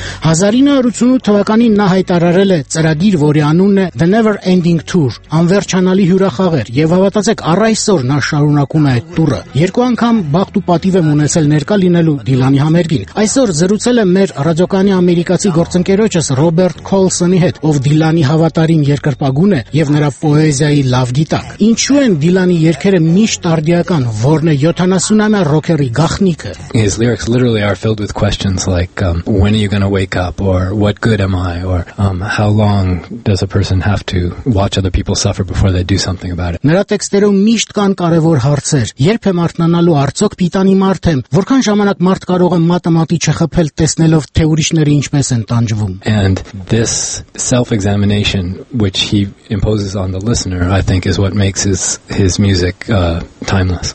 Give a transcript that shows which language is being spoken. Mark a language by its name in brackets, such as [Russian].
[Armenian] 1988 թվականին նա հայտարարել է ծրագիր, որի անունն է The Never Ending Tour, անվերջանալի հյուրախաղեր, եւ հավատացեք, առ այսօր նա շարունակում է այդ տուրը։ Երկու անգամ բախտ ու պատիվ եմ ունեցել ներկա լինելու Դիլանի համերգին։ Այսօր զրուցել եմ մեր ռադիոկանի ամերիկացի գործընկերոջս Ռոբերտ Քոլսոնի հետ, ով Դիլանի հավատարիմ երկրպագուն է եւ նրա պոեզիայի լավ գիտակ։ Ինչու են Դիլանի երգերը միշտ տարդիական, որն է 70-ամյա ռոքերի գաղտնիքը։ [English] His lyrics literally are filled with questions like when are you going to wake up, or what good am I, or how long does a person have to watch other people suffer before they do something about it. [Armenian] Նրա տեքստերում միշտ կան կարևոր հարցեր. Երբ եմ արթնանալու, արդյոք պիտանի մարդ եմ, որքան ժամանակ մարդ կարող է մաթեմատի չխփել, տեսնելով թե ուրիշները ինչպես են տանջվում. [English] And this self-examination which he imposes on the listener, I think, is what makes his music timeless.